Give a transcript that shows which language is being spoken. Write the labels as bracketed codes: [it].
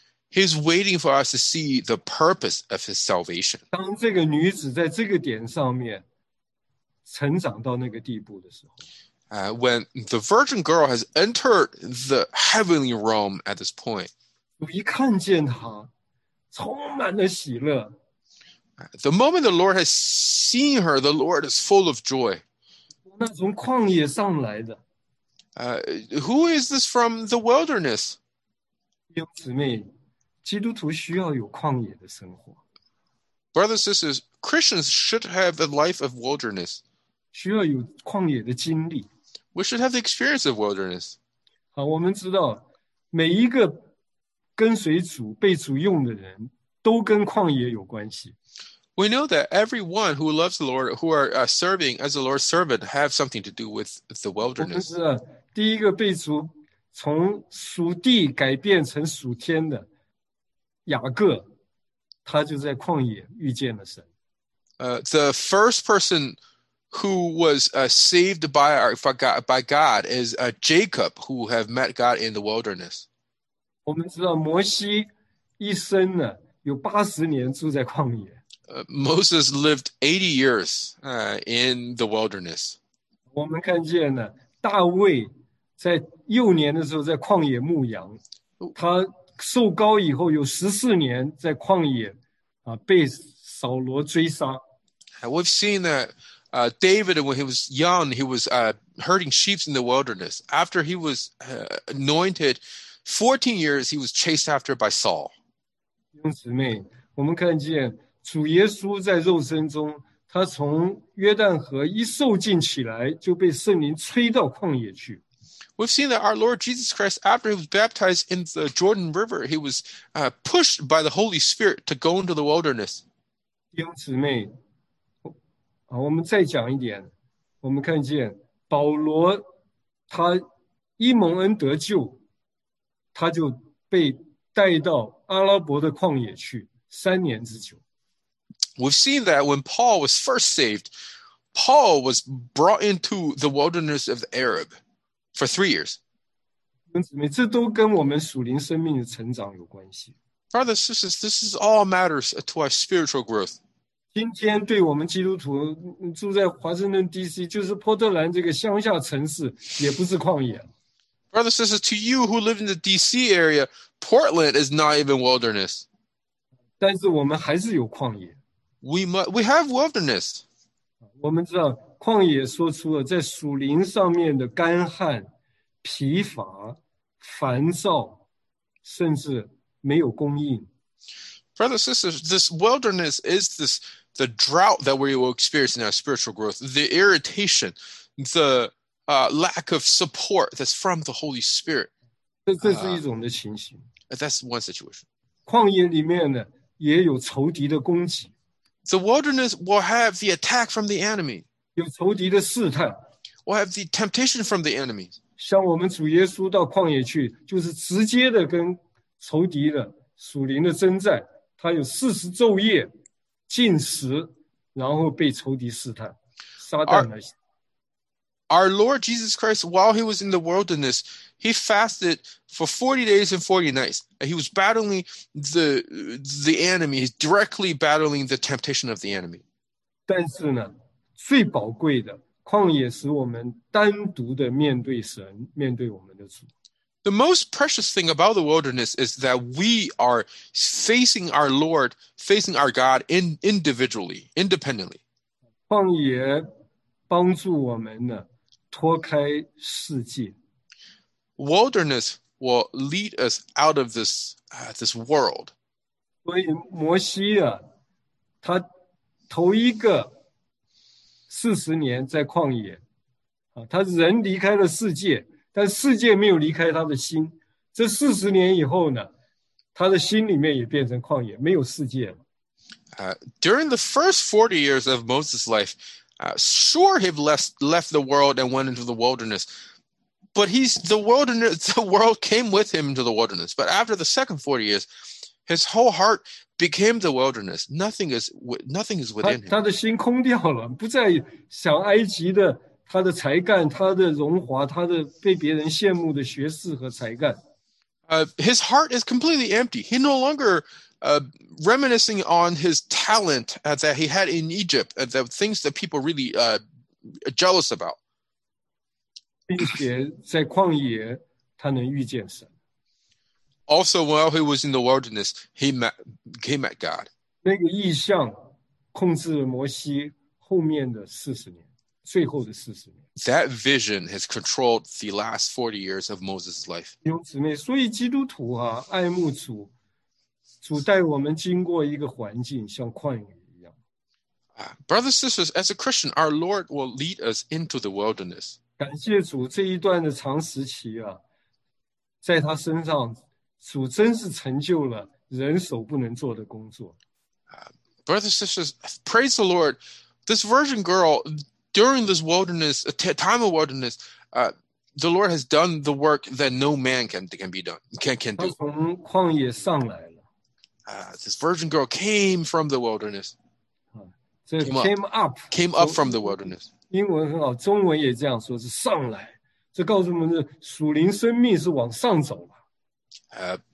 [en] He's waiting for us to see the purpose of his salvation. [zh] 当这个女子在这个点上面成长到那个地步的时候， [en] When the virgin girl has entered the heavenly realm at this point, [zh] 一看见她，充满了喜乐。 [en] The moment the Lord has seen her, the Lord is full of joy. [zh] 那从旷野上来的。 [en] Who is this from the wilderness? [zh] 弟兄姊妹，基督徒需要有旷野的生活。 [en] Brothers and sisters, Christians should have a life of wilderness. [zh] 需要有旷野的经历。 [en] We should have the experience of wilderness. [zh] 好，我们知道每一个跟随主、被主用的人都跟旷野有关系。 [en] We know that everyone who loves the Lord, who are serving as the Lord's servant, have something to do with the wilderness. [zh] 我们知道，第一个被主从属地改变成属天的雅各，他就在旷野遇见了神。 [en] The first person who was saved by God is Jacob, who have met God in the wilderness. [zh] 我们知道摩西一生呢，有八十年住在旷野。 [en] Moses lived 80 years in the wilderness. [zh] 我们看见呢，大卫在幼年的时候在旷野牧羊，他受膏以后有14年在旷野被扫罗追杀。 [en] We've seen that David, when he was young, he was herding sheep in the wilderness. After he was anointed, 14 years, he was chased after by Saul. [zh] 弟兄姊妹，我们看见主耶稣在肉身中，他从约旦河一受浸起来，就被圣灵吹到旷野去。 [en] We've seen that our Lord Jesus Christ, after he was baptized in the Jordan River, he was pushed by the Holy Spirit to go into the wilderness. [zh] 弟兄姊妹，我们再讲一点，我们看见保罗他一蒙恩得救，他就被带到阿拉伯的旷野去三年之久。 [en] We've seen that when Paul was first saved, Paul was brought into the wilderness of the Arab for 3 years. [zh] 这都跟我们属灵生命的成长有关系。 [en] Brothers and sisters, this is all matters to our spiritual growth. [zh] 今天对我们基督徒住在华盛顿 DC 就是波特兰这个乡下城市也不是旷野。 [en] Brothers and sisters, to you who live in the DC area, Portland is not even wilderness. [zh] 但是我们还是有旷野。 [en] We have wilderness. [zh] 我们知道旷野说出了在属灵上面的干旱、疲乏、烦躁，甚至没有供应。 [en] Brothers and sisters, this wilderness is the drought that we will experience in our spiritual growth, the irritation, the lack of support that's from the Holy Spirit. [zh] 这是一种的情形。 [en] That's one situation. [zh] 旷野里面呢，也有仇敌的攻击。 [en] The wilderness will have the attack from the enemy. [zh] 有仇敌的试探。 [en] Will have the temptation from the enemy. [zh] 像我们主耶稣到旷野去，就是直接的跟仇敌的属灵的征战，他有四十昼夜禁食，然后被仇敌试探，撒旦来。 [en] Our Lord Jesus Christ, while he was in the wilderness, he fasted for 40 days and 40 nights. He was battling the enemy, directly battling the temptation of the enemy. [zh] 但是呢，最宝贵的，旷野使我们单独的面对神，面对我们的主。 [en] The most precious thing about the wilderness is that we are facing our Lord, facing our God individually, independently. [zh] 旷野帮助我们呢，脱开世界。 [en] Wilderness will lead us out of this world. [zh] 所以摩西啊，他头一个四十年在旷野，他人离开了世界，但世界没有离开他的心。这四十年以后呢，他的心里面也变成旷野，没有世界了。 [en] During the first 40 years of Moses' life, sure, he left the world and went into the wilderness, but the world came with him into the wilderness. But after the second 40 years, his whole heart became the wilderness. Nothing is within him. [zh] 他的心空掉了，不再想埃及的他的才干、他的荣华、他的被别人羡慕的学识和才干。 [en] His heart is completely empty. He no longer reminiscing on his talent that he had in Egypt, the things that people really jealous about. [zh] 并且在旷野，他能遇见神。 [en] Also, while he was in the wilderness, he met God. [zh] 那个异象控制摩西后面的四十年，最后的四十年。 [en] That vision has controlled the last 40 years of Moses' life. [zh] 弟兄姊妹，所以基督徒啊，爱慕主。主带我们经过一个环境，像旷野一样。 [en] Brothers, sisters, as a Christian, our Lord will lead us into the wilderness. [zh] 感谢主，这一段的长时期啊，在他身上，主真是成就了人手不能做的工作。 [en] Brothers, sisters, praise the Lord. This virgin girl, during this wilderness, time of wilderness, the Lord has done the work that no man can do. [zh] 他从旷野上来。 [en] This virgin girl came from the wilderness. Came up from the wilderness. [zh] 英文很好，中文也这样说，是上来。这告诉我们的属灵生命是往上走了。